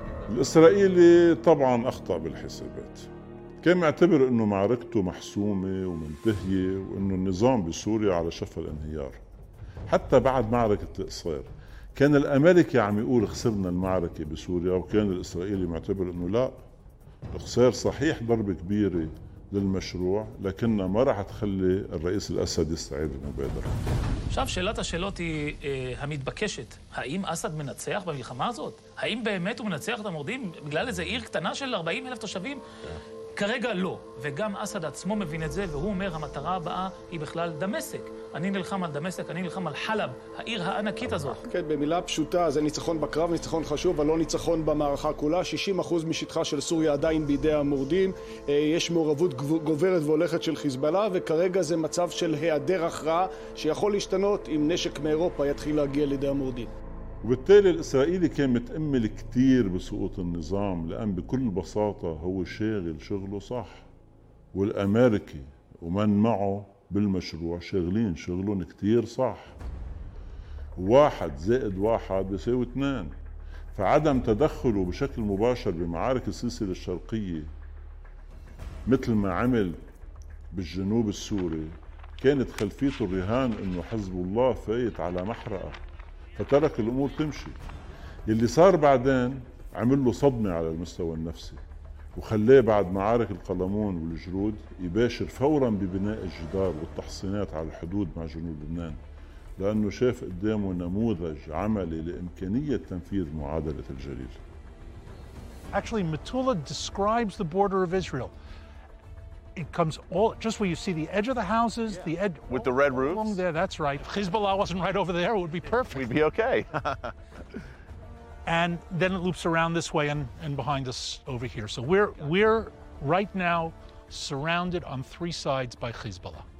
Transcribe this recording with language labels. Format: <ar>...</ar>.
<ar>الإسرائيلي طبعاً أخطأ بالحسابات، كان يعتبر أنه معركته محسومة ومنتهية وأنه النظام بسوريا على شفا الانهيار. حتى بعد معركة الإقصير كان الأمريكي عم يقول خسرنا المعركة بسوريا، وكان الإسرائيلي معتبر أنه لا، الإقصير صحيح ضرب كبير للمشروع لكنه ما راح تخلي الرئيس الأسد يستعيد المبادرة.</ar> <he>עכשיו שאלת השאלות היא המתבקשת. האם אסד מנצח במלחמה הזאת? האם באמת הוא מנצח את המורדים בגלל איזה עיר קטנה של 40 אלף תושבים? כרגע לא. וגם אסד עצמו מבין את זה, והוא אומר המטרה הבאה היא בכלל דמשק. אני נלחם על דמשק, אני נלחם על חלב, העיר הענקית הזאת. כן, במילה פשוטה, זה ניצחון בקרב, ניצחון חשוב, אבל לא ניצחון במערכה כולה. 60% משטחה של סוריה עדיין בידי המורדים. יש מעורבות גוברת והולכת של חיזבאללה, וכרגע זה מצב של היעדר הכרעה שיכול להשתנות אם נשק מאירופה יתחיל להגיע לידי המורדים.</he> <ar>وبالتالي الإسرائيلي كان متأمل كتير بسقوط النظام، لأن بكل بساطة هو شاغل شغله صح، والأمريكي ومن معه بالمشروع شغلين شغلهم كتير صح، واحد زائد واحد بيساوي اثنان. فعدم تدخله بشكل مباشر بمعارك السلسلة الشرقية مثل ما عمل بالجنوب السوري كانت خلفيته الرهان إنه حزب الله فايت على محرقة، فترك الأمور تمشي. اللي صار بعدين عمل له صدمة على المستوى النفسي، وخليه بعد معارك القلمون والجرود يباشر فورا ببناء الجدار والتحصينات على الحدود مع جنوب لبنان، لأنه شاف قدامه نموذج عملي لإمكانية تنفيذ معادلة الجليل.</ar> <en>Actually, Metula describes the border of Israel. It comes all just where you see the edge of the houses, yeah. The edge with the red roofs. Along there, that's right. If Hezbollah wasn't right over there, it would be perfect. We'd be okay. And then it loops around this way and behind us over here. So we're right now surrounded on three sides by Hezbollah.</en>